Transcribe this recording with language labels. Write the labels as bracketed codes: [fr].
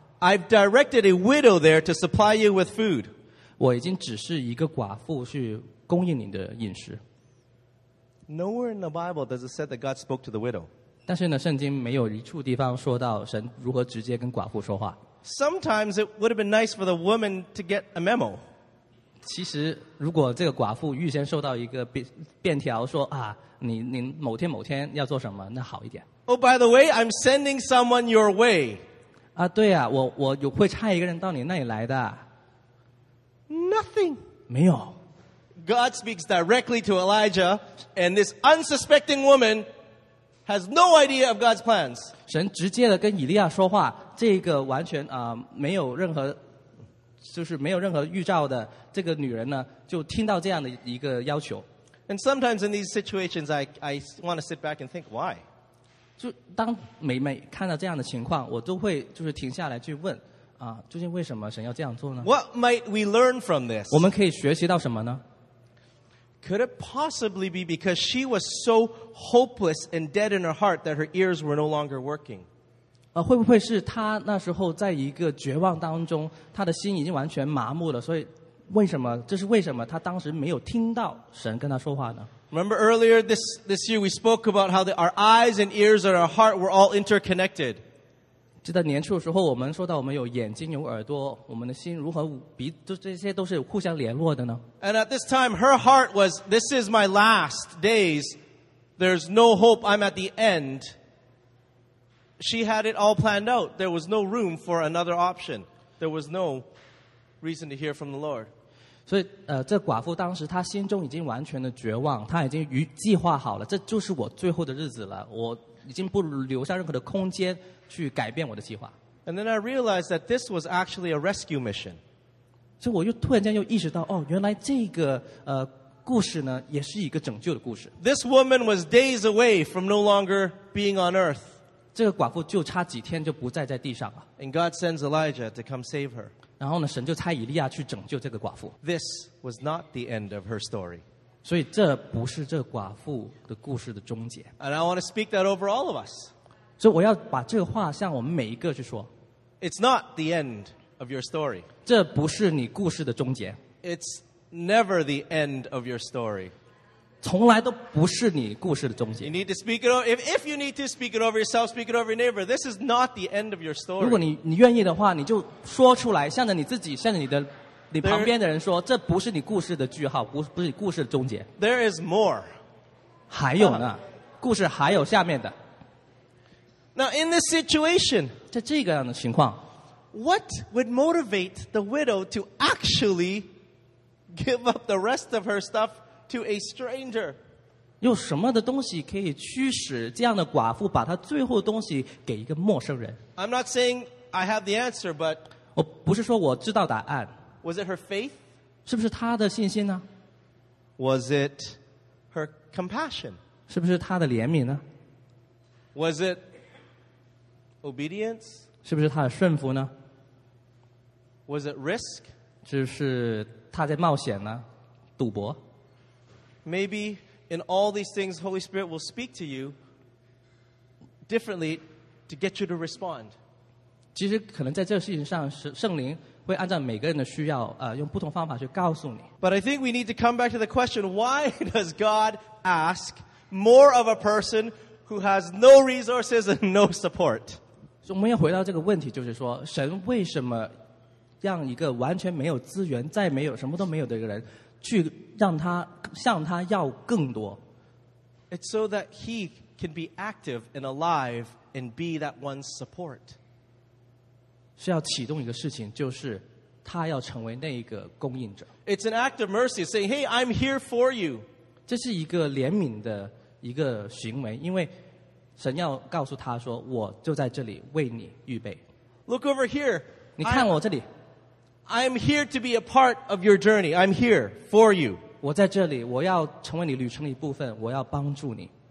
[en] I've directed a widow there to supply you with food. [zh] 我已经指示一个寡妇去供应你的饮食。 [en] Nowhere in the Bible does it say that God spoke to the widow. [zh] 但是呢，圣经没有一处地方说到神如何直接跟寡妇说话。 [en] Sometimes it would have been nice for the woman to get a memo. [zh] 其实，如果这个寡妇预先收到一个便条说啊，你某天某天要做什么，那好一点。 [en] Oh, by the way, I'm sending someone your way. [zh] 啊，对啊，我有会差一个人到你那里来的。 [en] Nothing. [zh] 没有。 [en] God speaks directly to Elijah, and this unsuspecting woman has no idea of God's plans. [zh] 神直接的跟以利亚说话，这个完全没有任何，就是没有任何预兆的这个女人呢，就听到这样的一个要求。 [en] And sometimes in these situations, I want to sit back and think why. [zh] 就当每每看到这样的情况，我都会就是停下来去问。究竟为什么神要这样做呢? [en] What might we learn from this? [zh] 我们可以学习到什么呢? [en] Could it possibly be because she was so hopeless and dead in her heart that her ears were no longer working? [zh] 会不会是她那时候在一个绝望当中，她的心已经完全麻木了，所以为什么，这是为什么她当时没有听到神跟她说话呢? [en] Remember earlier this year we spoke about how our eyes and ears and our heart were all interconnected. [zh] 记得年初的时候我们说到我们有眼睛有耳朵我们的心如何鼻这些都是互相联络的呢 [en] And at this time her heart was This is my last days There's no hope I'm at the end She had it all planned out There was no room for another option There was no reason to hear from the Lord [zh] 所以这寡妇当时她心中已经完全的绝望她已经计划好了这就是我最后的日子了我已经不留下任何的空间去改变我的计划。 [en] And then I realized that this was actually a rescue mission. [zh] 所以我又突然间又意识到，哦，原来这个故事呢，也是一个拯救的故事。 [en] This woman was days away from no longer being on earth. [zh] 这个寡妇就差几天就不再在地上了。 [en] And God sends Elijah to come save her. [zh] 然后呢，神就差以利亚去拯救这个寡妇。 [en] This was not the end of her story. [zh] 所以这不是这寡妇的故事的终结。 [en] And I want to speak that over all of us. [zh] 所以我要把这个话向我们每一个去说。 [en] It's not the end of your story. [zh] 这不是你故事的终结。 [en] It's never the end of your story. [zh] 从来都不是你故事的终结。 [en] You need to speak it over. If you need to speak it over yourself, speak it over your neighbor. This is not the end of your story. [zh] 如果你愿意的话，你就说出来，向着你自己，向着你旁边的人说，这不是你故事的句号，不是你故事的终结。 [en] There is more. [zh] 还有呢，故事还有下面的。 [en] Now, in this situation, [zh] 在这个样的情况, [en] what would motivate the widow to actually give up the rest of her stuff to a stranger? [zh] 有什么的东西可以驱使这样的寡妇把她最后的东西给一个陌生人? [en] I'm not saying I have the answer, but [zh] 我不是说我知道答案。 [en] Was it her faith? [zh] 是不是她的信心呢? [en] Was it her compassion? [zh] 是不是她的怜悯呢? [en] Was it Obedience? [zh] 是不是他的顺服呢? [en] Was it risk? [zh] 就是他在冒险呢,赌博? [en] Maybe in all these things, Holy Spirit will speak to you differently to get you to respond. [zh] 其实可能在这个事情上,圣灵会按照每个人的需要,用不同方法去告诉你。 [en] But I think we need to come back to the question, why does God ask more of a person who has no resources and no support? [zh] 我们要回到这个问题，就是说，神为什么让一个完全没有资源、再没有什么都没有的一个人，去让他向他要更多 [en] ？It's so that he can be active and alive and be that one's support. [zh] 是要启动一个事情，就是他要成为那一个供应者。 [en] It's an act of mercy, saying, "Hey, I'm here for you." [zh] 这是一个怜悯的一个行为，因为。神要告诉他说，我就在这里为你预备。 [en] Look over here. [zh] 你看我这里。 [en] I'm here to be a part of your journey. I'm here for you. [zh] 我在这里，我要成为你旅程的一部分，我要帮助你。